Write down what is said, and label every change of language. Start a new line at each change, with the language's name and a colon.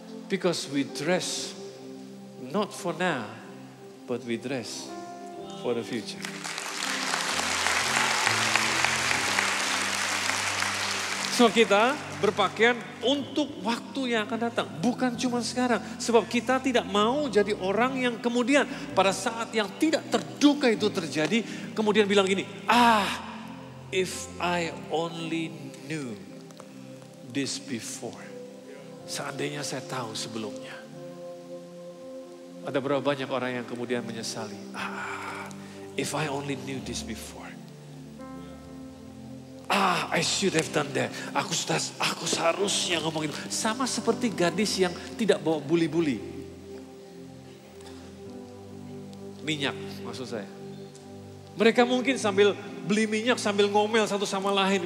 English: Because we dress not for now, but we dress for the future.
Indonesian: So kita berpakaian untuk waktu yang akan datang. Bukan cuma sekarang. Sebab kita tidak mau jadi orang yang kemudian pada saat yang tidak terduga itu terjadi. Kemudian bilang gini,
English: if I only knew this before.
Indonesian: Seandainya saya tahu sebelumnya. Ada berapa banyak orang yang kemudian menyesali.
English: If I only knew this before. I should have done that.
Indonesian: Aku seharusnya ngomong itu. Sama seperti gadis yang tidak bawa buli-buli. Minyak maksud saya. Mereka mungkin sambil beli minyak sambil ngomel satu sama lain.